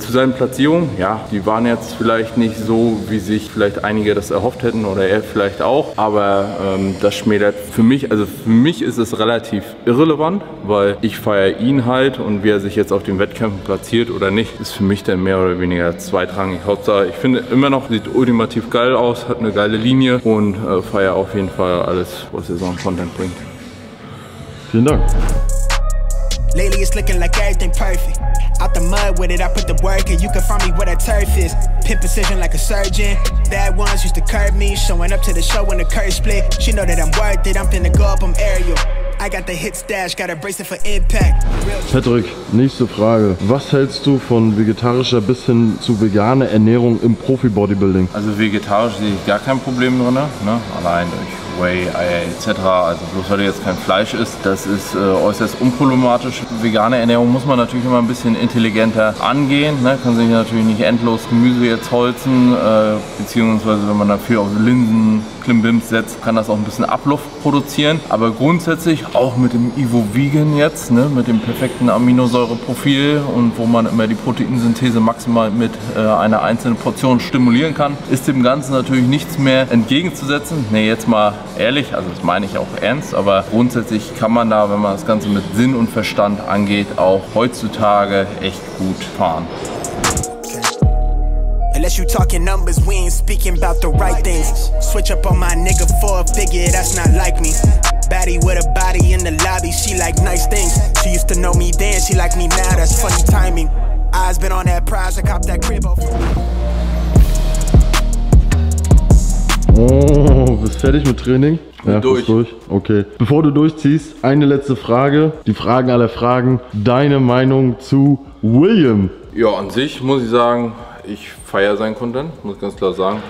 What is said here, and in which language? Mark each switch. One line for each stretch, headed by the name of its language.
German: Zu seinen Platzierungen, ja, die waren jetzt vielleicht nicht so, wie sie vielleicht einige das erhofft hätten oder er vielleicht auch, aber das schmälert für mich, also für mich ist es relativ irrelevant, weil ich feiere ihn halt und wie er sich jetzt auf den Wettkämpfen platziert oder nicht, ist für mich dann mehr oder weniger zweitrangig. Hauptsache, ich finde immer noch, sieht ultimativ geil aus, hat eine geile Linie und feiere auf jeden Fall alles, was er so an Content bringt. Vielen Dank.
English: Lately it's looking like everything perfect. Out the mud with it, I put the work in. You can find me where the turf is. Pin precision like a surgeon. Bad ones used to curb me. Showing up to the show when the curtain split. She know that I'm worth it. I'm finna go up, I'm aerial. I got the hit stash, got a bracelet for impact.
German: Patrick, nächste Frage. Was hältst du von vegetarischer bis hin zu veganer Ernährung im Profi-Bodybuilding? Also vegetarisch sehe ich gar kein Problem drin, ne? Allein durch Whey, Eier etc. Also bloß weil du jetzt kein Fleisch isst, das ist äußerst unproblematisch. Vegane Ernährung muss man natürlich immer ein bisschen intelligenter angehen. Ne? Kann sich natürlich nicht endlos Gemüse jetzt holzen, beziehungsweise wenn man dafür auf Linsen, Klimbims setzt, kann das auch ein bisschen Abluft produzieren. Aber grundsätzlich auch mit dem Evo Vegan jetzt, ne? Mit dem perfekten Aminosäureprofil und wo man immer die Proteinsynthese maximal mit einer einzelnen Portion stimulieren kann, ist dem Ganzen natürlich nichts mehr entgegenzusetzen. Ne, jetzt mal ehrlich, also das meine ich auch ernst, aber grundsätzlich kann man da, wenn man das Ganze mit Sinn und Verstand angeht, auch heutzutage echt gut fahren.
English: Unless you talking numbers, we ain't speaking about the right things. Switch up on my nigga for a figure, that's not like me. Baddie with a body in the lobby, she like nice things. She used to know me then, she like me now, that's funny timing. Eyes been on that prize, I cop that crib off.
German: Oh, bist fertig mit Training? Ja, durch. Durch. Okay. Bevor du durchziehst, eine letzte Frage. Die Fragen aller Fragen. Deine Meinung zu William? Ja, an sich muss ich sagen, ich feiere seinen Content, muss ganz klar sagen.